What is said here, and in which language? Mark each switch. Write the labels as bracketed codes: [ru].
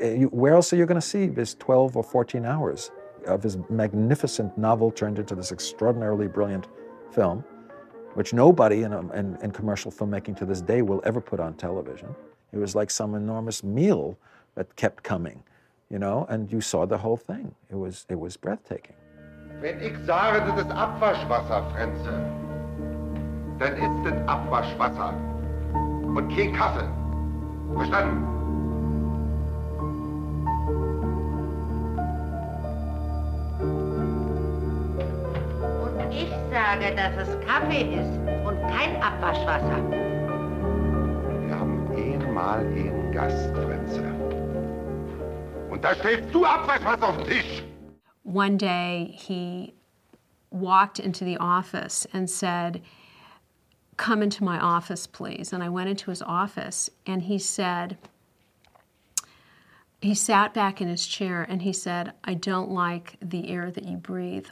[en] Where else are you going to see this 12 or 14 hours of this magnificent novel turned into this extraordinarily brilliant film, which nobody in commercial filmmaking to this day will ever put on television? It was like some enormous meal that kept coming, you know, and you saw the whole thing. It was breathtaking. [de] Wenn ich sage, das ist Abwaschwasser, Frenze, dann ist es Abwaschwasser und kein Kaffee. Verstanden? Und ich sage, dass es Kaffee ist und kein Abwaschwasser. Wir haben einmal einen Gast, Frenze. Und da stellst du Abwaschwasser auf den Tisch! [en] One day he walked into the office and said, come into my office, please. And I went into his office and he said, he sat back in his chair and he said, I don't like the air that you breathe.